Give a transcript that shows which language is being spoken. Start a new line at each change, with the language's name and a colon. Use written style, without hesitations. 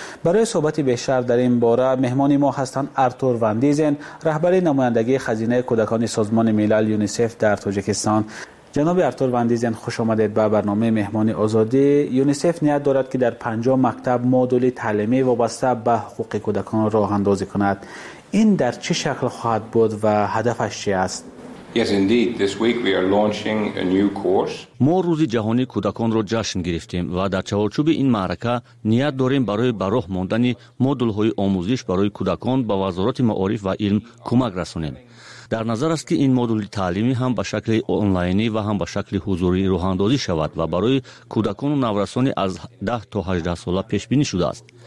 Persian: برای صحبت بیشتر در این باره مهمان ما هستند آرتور وان دیزن، رهبر نمایندگی خزینه کودکان سازمان ملل یونیسف در تاجیکستان. جناب آرتور وان دیزن، خوش آمدید به برنامه مهمان آزادی. یونیسف نیت دارد که در 50 مکتب مدل تعلیمی وابسته به حقوق کودکان راه اندازی کند. این در چه شکل خواهد بود و هدفش چی است؟
English: Yes, indeed. This week we are launching a new course.
Persian: ما روز جهانی کودکان را جشن گرفتیم و در چهارچوب این معرکه نیت داریم برای براه ماندن مدل های آموزش برای کودکان به وزارت معارف و علم کمک رسانیم. در نظر است که این مدل تعلیمی هم به شکل آنلاینی و هم به شکل حضوری راه اندازی شود و برای کودکان و نورسان از 10 تا 18 ساله پیش بینی شده است.